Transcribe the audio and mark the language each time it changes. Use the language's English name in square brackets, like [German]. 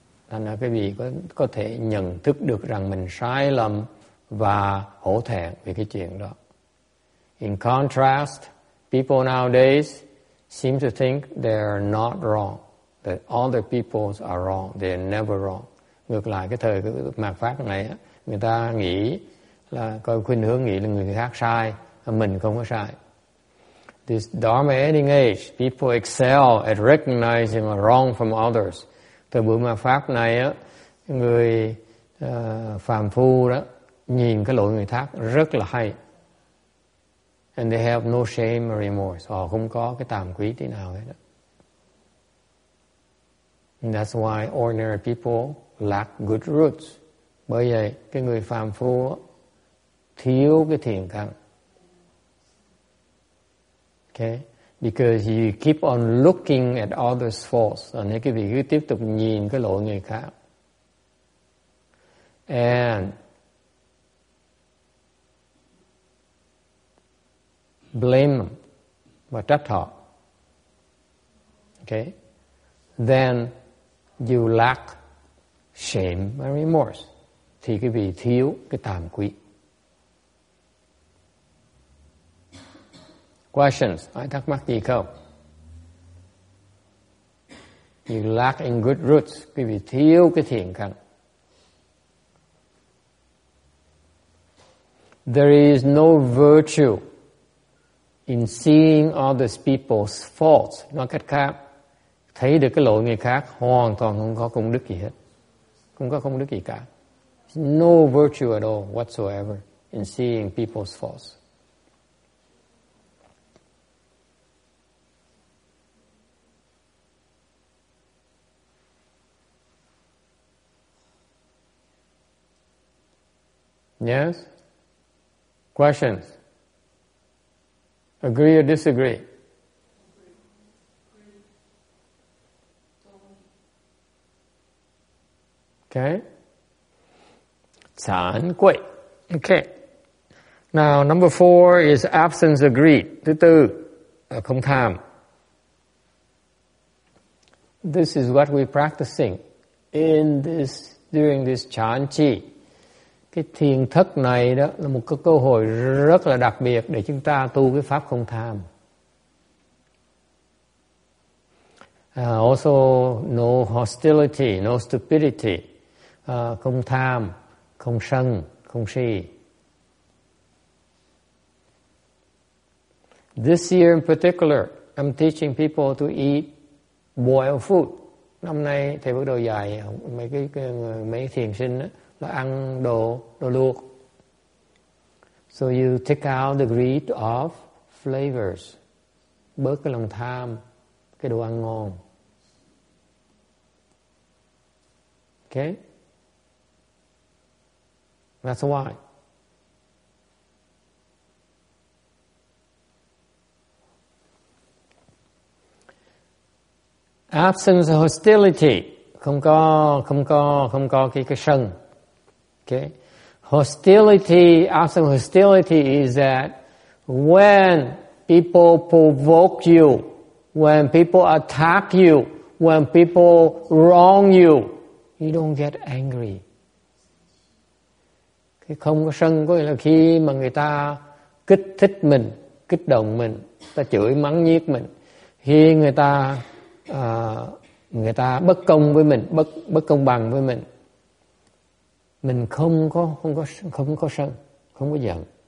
[Vietnamese] Thành ra quý vị có thể nhận thức được rằng mình sai lầm và hổ thẹn về cái chuyện đó. [English] In contrast, people nowadays seem to think they're not wrong. That all the peoples are wrong. They're never wrong. [Vietnamese] Ngược lại cái thời cái mạt pháp này á, người ta nghĩ là có khuynh hướng nghĩ là người khác sai, mình không có sai. [English] This Dharma ending age, people excel at recognizing a wrong from others. [Vietnamese] Thời buổi mạt pháp này á, người phàm phu đó nhìn cái lỗi người khác rất là hay. [English] And they have no shame or remorse. [Vietnamese] Họ không có cái tàm quý tí nào hết đó. [English] And that's why ordinary people lack good roots. [Vietnamese] Bởi vậy, cái người phàm phu thiếu cái thiện căn. [English] Okay? Because you keep on looking at others' faults. [Vietnamese] Và nếu quý vị cứ tiếp tục nhìn cái lỗi người khác. [English] And blame them. [Vietnamese] Và trách họ. [English] Okay? Then you lack shame and remorse. [Vietnamese] Thì quý vị thiếu cái tàm quý. questions. Ai thắc mắc gì không? [English] You lack in good roots. [Vietnamese] Quý vị thiếu cái thiện căn. [English] There is no virtue in seeing other people's faults. [Vietnamese] Nói cách khác, thấy được cái lỗi người khác hoàn toàn không có công đức gì hết. Không có công đức gì cả. [English] No virtue at all whatsoever in seeing people's faults. Yes? Questions? Agree or disagree? Okay. Chán quậy. Okay. Now, number four is absence of greed. [Vietnamese] Thứ tư, không tham. [English] This is what we're practicing in this, during this chán chi. [Vietnamese] Cái thiền thất này đó là một cái cơ hội rất là đặc biệt để chúng ta tu cái pháp không tham. [English] Also, no hostility, no stupidity. [Vietnamese] Không tham, không sân, không si. [English] This year in particular, I'm teaching people to eat boiled food. [Vietnamese] Năm nay, thầy bắt đầu dạy mấy thiền sinh đó. Ăn đồ luộc. [English] So you take out the greed of flavors. [Vietnamese] Bớt cái lòng tham cái đồ ăn ngon. [English] Okay? That's why. Absence of hostility. [Vietnamese] Không có cái sân. [English] Okay, hostility, absolute hostility is that when people provoke you, when people attack you, when people wrong you, you don't get angry. [Vietnamese] Cái không có sân có nghĩa là khi mà người ta kích thích mình, kích động mình, ta chửi mắng nhiếc mình, khi người ta bất công với mình, bất công bằng với mình. Mình không có sân, không có giận.